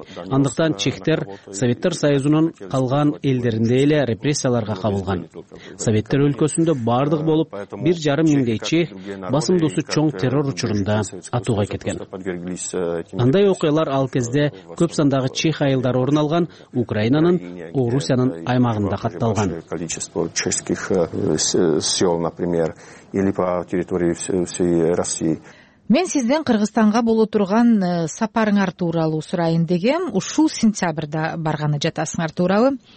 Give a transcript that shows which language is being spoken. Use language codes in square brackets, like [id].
[ky] Андыктан чехтер Советтер Союзунун калган элдеринде эле репрессияларга кабылган. Советтер өлкөсүндө бардык болуп 1,5 миңдей чех басымдуусу чоң террор учурунда атууга кеткен. Андай окуялар ал кезде көп сандагы чех айылдары орун алган Украинанын Орусиянын аймагында катталган. [ru] Чешских сел, например, или по территории всей России. [ky] Мен сизден Кыргызстанга боло турган сапарыңар тууралуу сурайын дегем, ушул сентябрда барганы жатасыңар тууралуу.